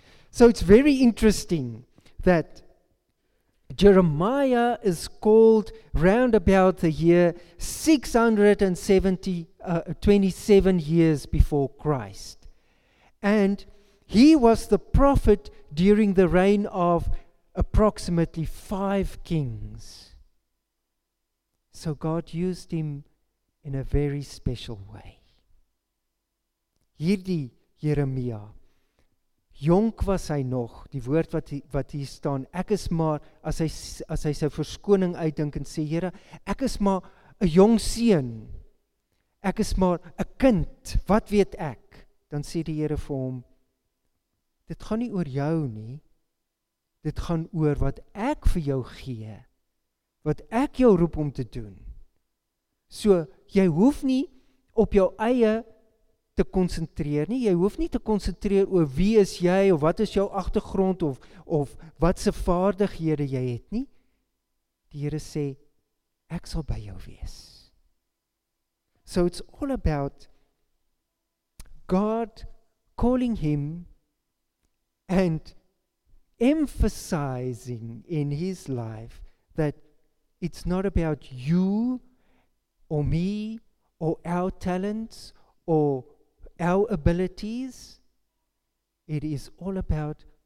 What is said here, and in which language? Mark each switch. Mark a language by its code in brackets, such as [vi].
[en] So it's very interesting that Jeremiah is called round about the year 627 years before Christ. And he was the prophet during the reign of approximately 5 kings. So God used him in a very special way. [af] Hierdie Jeremia, jonk was hy nog, die woord wat hier staan, ek is maar, as hy sy verskoning uitdink en sê, Here, ek is maar 'n jong seun, ek is maar 'n kind, wat weet ek? Dan sê die Here vir hom, dit gaan nie oor jou nie, dit gaan oor wat ek vir jou gee, wat ek jou roep om te doen. So, jy hoef nie op jou eie te konsentreer nie, jy hoef nie te konsentreer oor wie is jy, of wat is jou agtergrond, of wat se vaardighede jy het nie. Die Here sê, ek sal by jou wees. [en] So it's all about God calling him and emphasizing in his life that it's not about you or me or our talents or our abilities, it is all about